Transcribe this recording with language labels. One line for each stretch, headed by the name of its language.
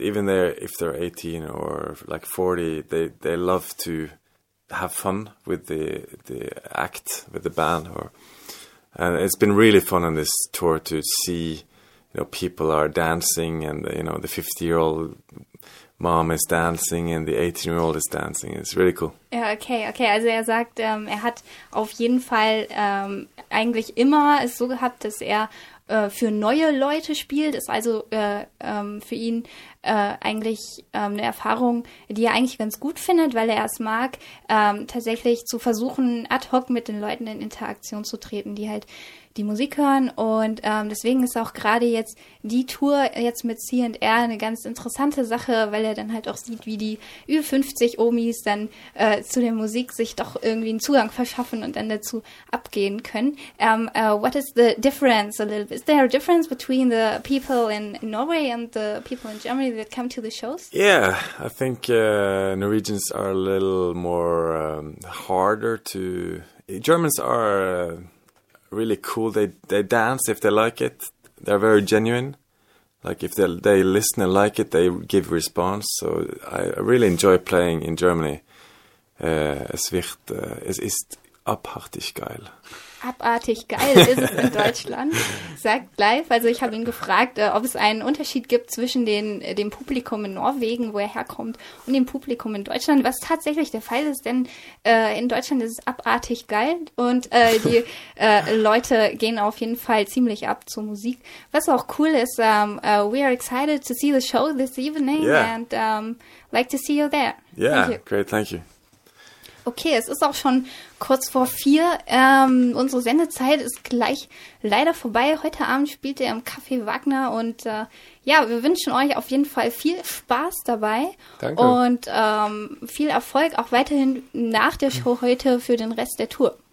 English: Even there, if they're 18 or like 40, they love to have fun with the act, with the band, and it's been really fun on this tour to see, you know, people are dancing, and you know, the 50-year-old mom is dancing and the 18-year-old is dancing. It's really cool.
German: Ja, okay. Also er sagt, er hat auf jeden Fall eigentlich immer es so gehabt, dass er für neue Leute spielt, ist also für ihn eigentlich eine Erfahrung, die er eigentlich ganz gut findet, weil er es mag, tatsächlich zu versuchen, ad hoc mit den Leuten in Interaktion zu treten, die halt die Musik hören. Und deswegen ist auch gerade jetzt die Tour jetzt mit C&R eine ganz interessante Sache, weil er dann halt auch sieht, wie die über 50 Omis dann zu der Musik sich doch irgendwie einen Zugang verschaffen und dann dazu abgehen können.
English: What is the difference a little bit? Is there a difference between the people in Norway and the people in Germany? that come to the shows? Yeah, I think Norwegians are a little more harder to... Germans are really cool. They dance if they like it. They're very genuine. Like if they listen and like it, they give response. So I really enjoy playing in Germany.
German: Es wird, es ist abartig geil. Abartig geil ist es in Deutschland, sagt Live. Also ich habe ihn gefragt, ob es einen Unterschied gibt zwischen dem Publikum in Norwegen, wo er herkommt, und dem Publikum in Deutschland, was tatsächlich der Fall ist, denn in Deutschland ist es abartig geil und die Leute gehen auf jeden Fall ziemlich ab zur Musik. Was auch cool ist,
English: we are excited to see the show this evening, yeah, and like to see you there. Yeah, thank you. Great, thank you.
German: Okay, es ist auch schon kurz vor vier. Unsere Sendezeit ist gleich leider vorbei. Heute Abend spielt ihr im Café Wagner und ja, wir wünschen euch auf jeden Fall viel Spaß dabei. Danke. Und viel Erfolg auch weiterhin nach der Show heute für den Rest der Tour.